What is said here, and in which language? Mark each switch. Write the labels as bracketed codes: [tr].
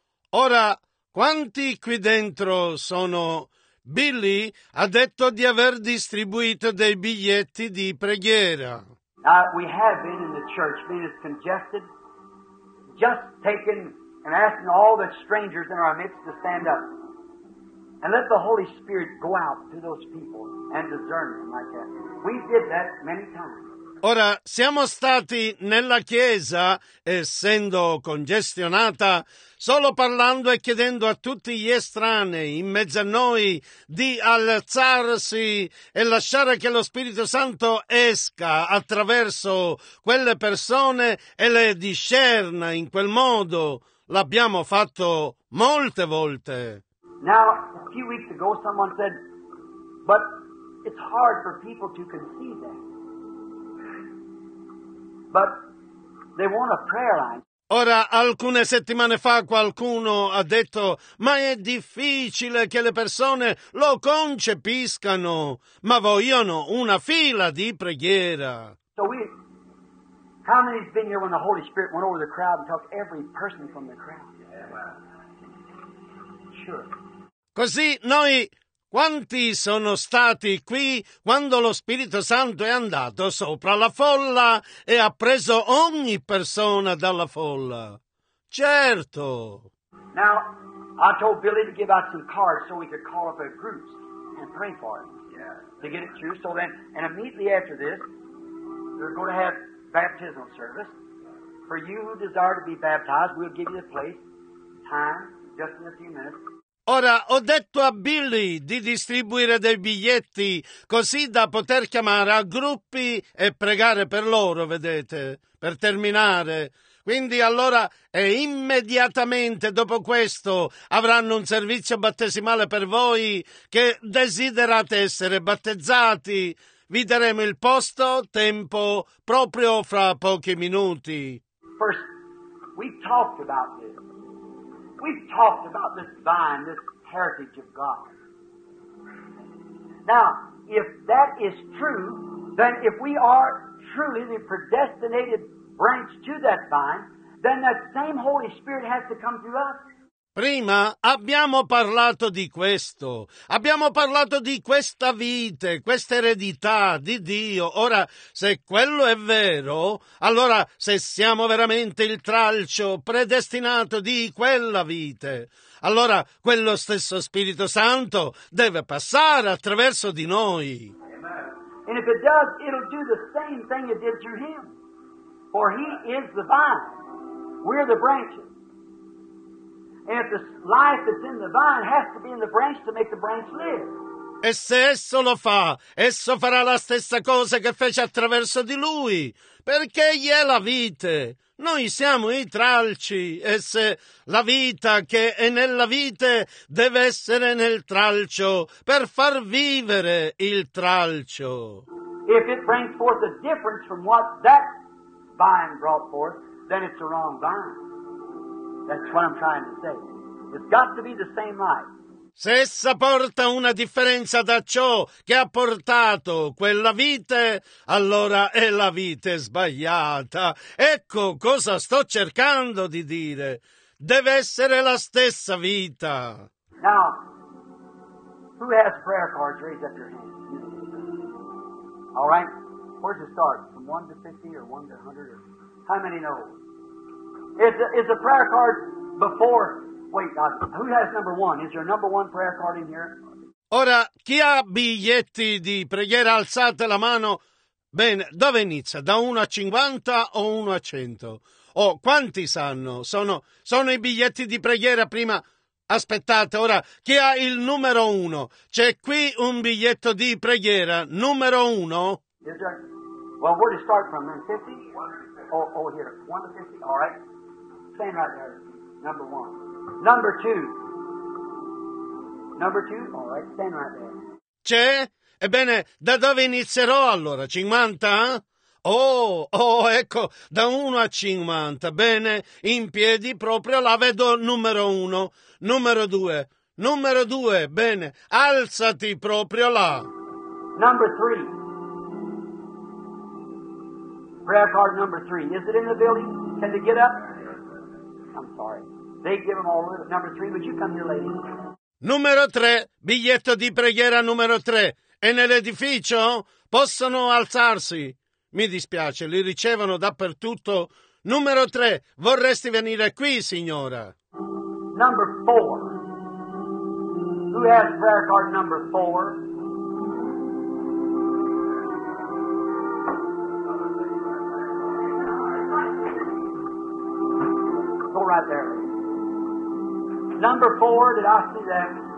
[it] Ora, quanti qui dentro sono? Billy ha detto di aver distribuito dei biglietti di preghiera. [en] We have been in the church, being as congested, just taken and asking all the strangers in our midst to stand up. And let the Holy Spirit go out to those people and discern them like that. We did that many times. [it] Ora, siamo stati nella chiesa, essendo congestionata, solo parlando e chiedendo a tutti gli estranei in mezzo a noi di alzarsi e lasciare che lo Spirito Santo esca attraverso quelle persone e le discerna in quel modo. L'abbiamo fatto molte volte. [en] Now, a few weeks ago, someone said, but it's hard for people to conceive that. But they want a prayer line. [it] Ora, alcune settimane fa, qualcuno ha detto, ma è difficile che le persone lo concepiscano, ma vogliono una fila di preghiera. [en] So we, how many have been here when the Holy Spirit went over the crowd and took every person from the crowd? Yeah, wow. Sure. [it] Così noi Quanti sono stati qui quando lo Spirito Santo è andato sopra la folla e ha preso ogni persona dalla folla? Certo! [en] Now, I told Billy to give out some cards so we could call up a group and pray for them. Yeah. To get it through. So then, and immediately after this, they're going to have baptismal service. For you who desire to be baptized, we'll give you the place, time, just in a few minutes. [it] Ora, ho detto a Billy di distribuire dei biglietti così da poter chiamare a gruppi e pregare per loro, vedete, per terminare. Quindi allora, e immediatamente dopo questo, avranno un servizio battesimale per voi che desiderate essere battezzati. Vi daremo il posto, tempo, proprio fra pochi minuti. [en] First, we've talked about this. We've talked about this vine, this heritage of God. Now, if that is true, then if we are truly the predestinated branch to that vine, then that same Holy Spirit has to come through us. [it] Prima abbiamo parlato di questo, abbiamo parlato di questa vite, questa eredità di Dio. Ora, se quello è vero, allora se siamo veramente il tralcio predestinato di quella vite, allora quello stesso Spirito Santo deve passare attraverso di noi. [en] And if it does, it'll do the same thing it did through him. For he is the vine. We're the branches. And if the life that's in the vine has to be in the branch to make the branch live. [it] E se esso lo fa, esso farà la stessa cosa che fece attraverso di lui, perché egli è la vite. Noi siamo i tralci, e se la vita che è nella vite deve essere nel tralcio per far vivere il tralcio. [en] If it brings forth a difference from what that vine brought forth, then it's the wrong vine. That's what I'm trying to say. It's got to be the same life. [it] Se essa porta una differenza da ciò che ha portato quella vite, allora è la vite sbagliata. Ecco cosa sto cercando di dire. Deve essere la stessa vita. [en] Now, who has prayer cards? Raise up your hand. All right. Where to start? From 1 to 50 or 1 to 100? How many know? Is a prayer card before... Wait, God, who has number one? Is there a number one prayer card in here? [it] Ora, chi ha biglietti di preghiera, alzate la mano. Bene, dove inizia? Da 1 a 50 o 1 a 100? Oh, quanti sanno? Sono i biglietti di preghiera prima. Aspettate, ora, chi ha il numero 1? C'è qui un biglietto di preghiera, numero 1? [en] Well, where to start from, then? 50? Here, 1 to 50, all right. Stand right there, number 1. Number two. Number two? All right, stand right there. [it] C'è? Ebbene, da dove inizierò allora? 50? Ecco, da 1 a 50. Bene, in piedi proprio la vedo numero 1. Numero 2. Numero 2, bene, alzati proprio là. [en] Number three. Prayer card number three. Is it in the building? Can they get up? I'm sorry. They give them all number three, but you come here later. [it] Numero 3, biglietto di preghiera numero 3. È nell'edificio? Possono alzarsi. Mi dispiace, li ricevono dappertutto. Numero 3, vorresti venire qui, signora? [en] Number 4. Who has prayer card number 4? Go right there. Number four, did I see that?